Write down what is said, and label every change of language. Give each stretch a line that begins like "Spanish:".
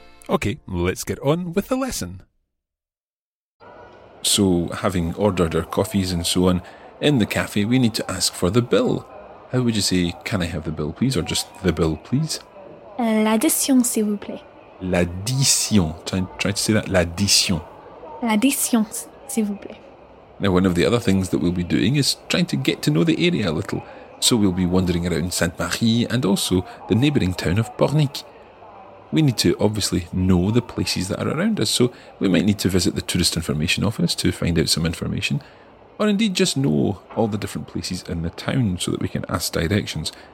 English: Okay, let's get on with the lesson. So, having ordered our coffees and so on, in the cafe we need to ask for the bill. How would you say, can I have the bill please, or just the bill please?
French: L'addition, s'il vous plaît.
English: L'addition. Try to say that. L'addition.
French: L'addition, s'il vous plaît.
English: Now, one of the other things that we'll be doing is trying to get to know the area a little. So we'll be wandering around Sainte-Marie and also the neighbouring town of Pornic. We need to obviously know the places that are around us, so we might need to visit the tourist information office to find out some information, or indeed just know all the different places in the town so that we can ask directions.